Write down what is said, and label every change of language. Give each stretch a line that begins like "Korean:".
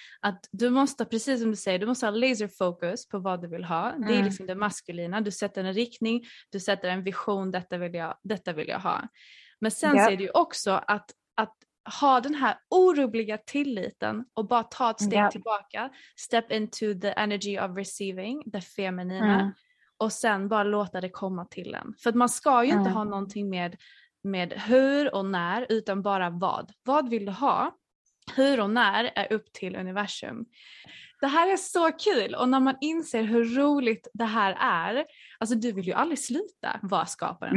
Swedish: Att du måste, precis som du säger, du måste ha laser focus på vad du vill ha. Mm. Det är liksom det maskulina. Du sätter en riktning, du sätter en vision, detta vill jag ha. Men sen ser du också att ha den här oroliga tilliten och bara ta ett steg tillbaka.
English: Step into the energy of receiving, the feminina. Mm.
Swedish: Och sen bara låta det komma till en. För att man ska ju inte ha någonting med hur och när, utan bara vad. Vad vill du ha? Hur och när är upp till universum. Det här är så kul. Och när man inser hur roligt det här är. Alltså du vill ju aldrig sluta vara skaparen.